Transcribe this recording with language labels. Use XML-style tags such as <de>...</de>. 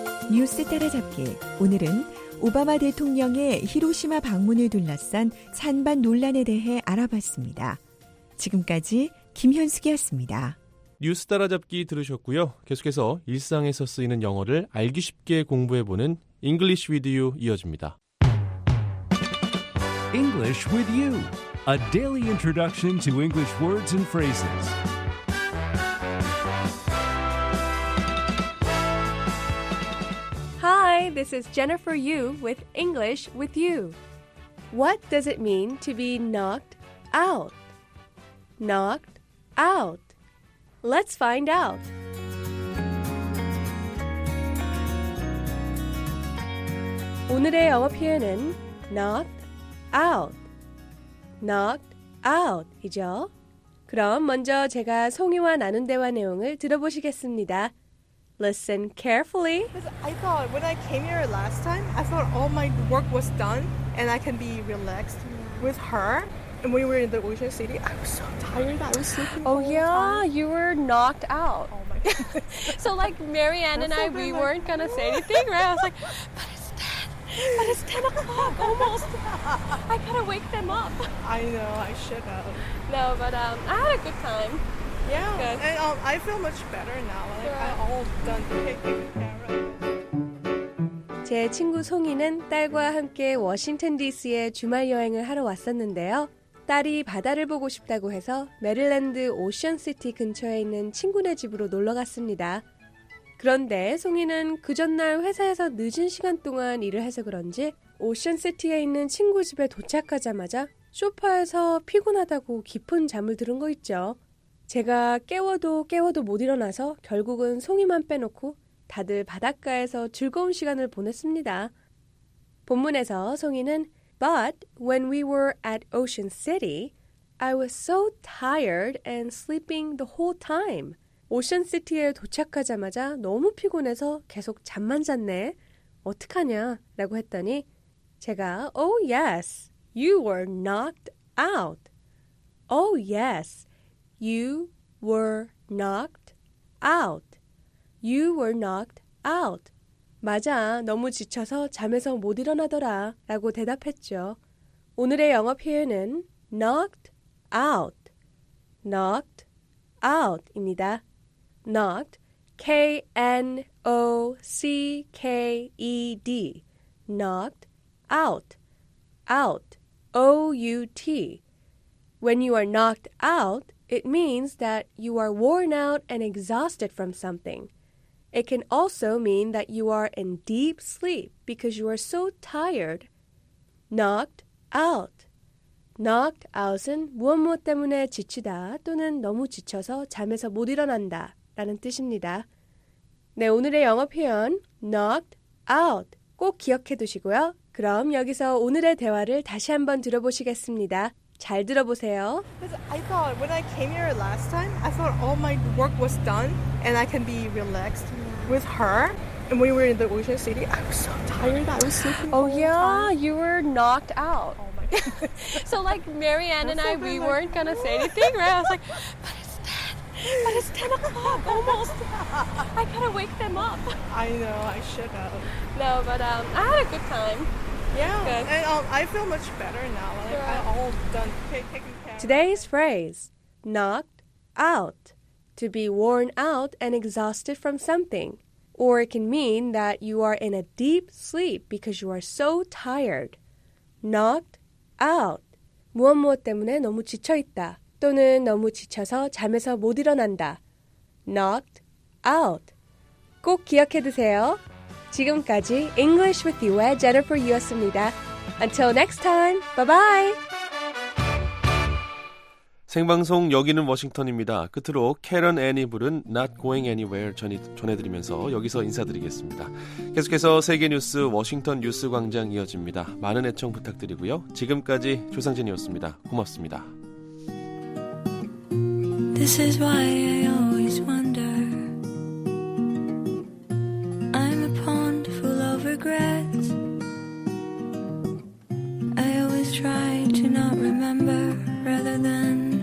<ko>뉴스 따라잡기, 오늘은 오바마 대통령의 히로시마 방문을 둘러싼 찬반 논란에 대해 알아봤습니다. 지금까지 김현숙이었습니다. 뉴스 따라잡기 들으셨고요. 계속해서 일상에서 쓰이는 영어를 알기 쉽게 공부해보는 English with you 이어집니다.</ko> <en>English with you, a daily introduction to English words and phrases. This is Jennifer Yu with English with you. What does it mean to be knocked out? Knocked out. Let's find out.</en> <ko>오늘의 영어 표현은 knocked out. Knocked out이죠. 그럼 먼저 제가 송이와 나눈 대화 내용을 들어보시겠습니다.</ko> <en>Listen carefully. I thought when I came here last time, I thought all my work was done and I can be relaxed with her. And we were in the Ocean City. I was so tired. I was sleeping. Oh, all the time. You were knocked out. Oh my God. So, like, Marianne and I, we weren't going to say anything, right? I was like, but it's 10 o'clock almost. I got to wake them up. I know, I should have. No, but I had a good time. Yeah, and I feel much better now. I'm all done taking care of.</en> <ko>제 친구 송이는 딸과 함께 워싱턴 DC에 주말 여행을 하러 왔었는데요. 딸이 바다를 보고 싶다고 해서 메릴랜드 오션 시티 근처에 있는 친구네 집으로 놀러 갔습니다. 그런데 송이는 그 전날 회사에서 늦은 시간 동안 일을 해서 그런지 오션 시티에 있는 친구 집에 도착하자마자 소파에서 피곤하다고 깊은 잠을 들은 거 있죠. 제가 깨워도 못 일어나서 결국은 송이만 빼놓고 다들 바닷가에서 즐거운 시간을 보냈습니다. 본문에서 송이는</ko> <en>But when we were at Ocean City, I was so tired and sleeping the whole time.</en> <ko>오션 시티에 도착하자마자 너무 피곤해서 계속 잠만 잤네. 어떡하냐? 라고 했더니 제가</ko> <en>Oh yes, you were knocked out. Oh yes. You were knocked out. You were knocked out.</en> <ko>맞아, 너무 지쳐서 잠에서 못 일어나더라 라고 대답했죠. 오늘의 영어 표현은 knocked out. Knocked out입니다.</ko> <en>Knocked, K-N-O-C-K-E-D. Knocked out. Out, O-U-T. When you are knocked out, it means that you are worn out and exhausted from something. It can also mean that you are in deep sleep because you are so tired. Knocked out.</en> <ko>Knocked out은 무엇 무엇 때문에 지치다 또는 너무 지쳐서 잠에서 못 일어난다 라는 뜻입니다. 네, 오늘의 영어 표현 knocked out 꼭 기억해 두시고요. 그럼 여기서 오늘의 대화를 다시 한번 들어보시겠습니다. 잘 들어보세요.</ko> <en>I thought when I came here last time, I thought all my work was done and I can be relaxed with her. And we were in the Ocean City. I was so tired. I was sleeping. Oh, all the time. You were knocked out. Oh my God. So, like, Marianne and I, we weren't going to say anything, right? I was like, but it's 10 o'clock almost. I got to wake them up. I know, I should have. No, but I had a good time. Yeah, good. And I feel much better now. I'm all done taking care of. Today's phrase, knocked out, to be worn out and exhausted from something. Or it can mean that you are in a deep sleep because you are so tired. Knocked out.</en> <ko>무엇 무엇 때문에 너무 지쳐있다. 또는 너무 지쳐서 잠에서 못 일어난다. Knocked out. 꼭 기억해 두세요. 지금까지 English with You의 Jennifer Yu였습니다.</ko> <en>Until next time, bye-bye.</en> <ko>생방송 여기는 워싱턴입니다. 끝으로 캐런 애니 부른 Not Going Anywhere 전해드리면서 여기서 인사드리겠습니다. 계속해서 세계뉴스 워싱턴 뉴스광장 이어집니다. 많은 애청 부탁드리고요. 지금까지 조상진이었습니다. 고맙습니다.</ko> <en>This is why I always wonder I'm a pond full of regrets I always try to not remember rather than</en>